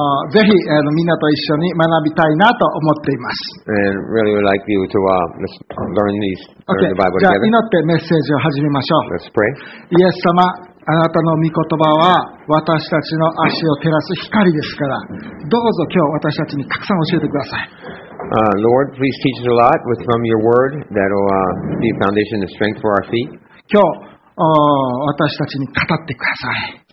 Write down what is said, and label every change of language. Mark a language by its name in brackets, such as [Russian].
[Japanese] ぜひ、みんなと一緒に学びたいなと思っています。 [English] And really would like you to learn the Bible together. [Japanese] じゃあ祈ってメッセージを始めましょう。 [English] Let's pray. [Japanese] イエス様、あなたの御言葉は私たちの足を照らす光ですから、どうぞ今日私たちにたくさん教えてください。 [English] Lord, please teach us a lot with from your word that will be a foundation and strength for our feet. [Japanese] 今日私たちに語ってください。